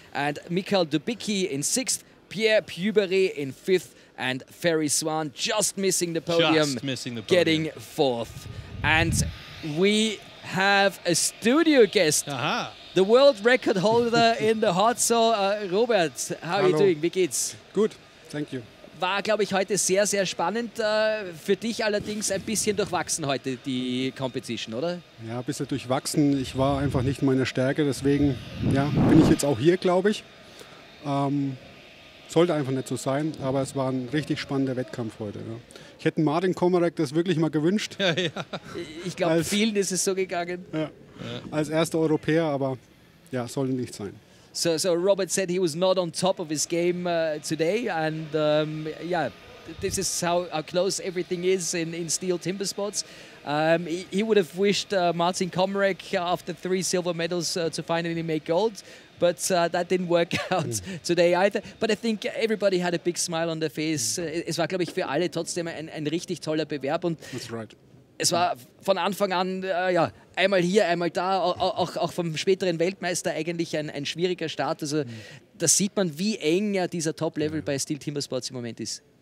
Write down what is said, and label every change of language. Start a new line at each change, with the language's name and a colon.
English: And Mikael Dubicki in 6th, Pierre Puberet in 5th, and Ferry Swan just missing the podium. Just missing the podium. Getting 4th. And we have a studio guest. Aha. The world record holder in the hot saw, Robert, how are you doing?
German: Wie geht's? Gut,
English: thank you.
German: War, glaube ich, heute sehr, sehr spannend. Für dich allerdings ein bisschen durchwachsen heute, die Competition, oder? Ja, ein bisschen durchwachsen. Ich war einfach nicht meine Stärke, deswegen ja, bin ich jetzt auch hier, glaube ich. Sollte einfach nicht so sein, aber es war ein richtig spannender Wettkampf heute. Ja. Ich hätte Martin Komarek das wirklich mal gewünscht. Ja, ja. Ich glaube, vielen ist es so gegangen. Ja. Als erster Europäer, aber ja, sollte nicht sein.
English: So Robert said he was not on top of his game today, and yeah, this is how close everything is in STIHL TIMBERSPORTS. He would have wished Martin Komarek after 3 silver medals to finally make gold, but that didn't work out today either. But I think everybody had a big smile on their face.
German: Es war, glaube ich, für alle trotzdem ein richtig toller Bewerb. Und
English: that's right.
German: Es war von Anfang an ja, einmal hier, einmal da, auch vom späteren Weltmeister eigentlich ein schwieriger Start. Also da sieht man, wie eng ja dieser Top-Level bei STIHL TIMBERSPORTS im Moment ist.